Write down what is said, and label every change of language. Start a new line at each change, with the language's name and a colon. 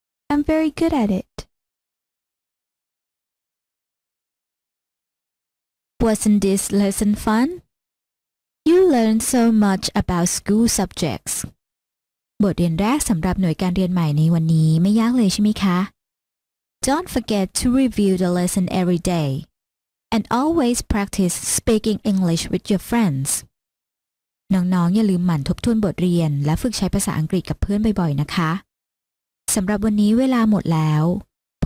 English: I'm very good at it. Wasn't this lesson fun? You learned so much about school subjects.
Thai: บทเรียนแรกสำหรับหน่วยการเรียนใหม่ในวันนี้ไม่ยากเลยใช่ไหมคะ
English: Don't forget to review the lesson every day and always practice speaking English with your friends
Thai: น้องๆอย่าลืมหมั่นทบทวนบทเรียนและฝึกใช้ภาษาอังกฤษกับเพื่อนบ่อยๆนะคะสำหรับวันนี้เวลาหมดแล้วพบกันใหม่คราวหน้าบ๊ายบาย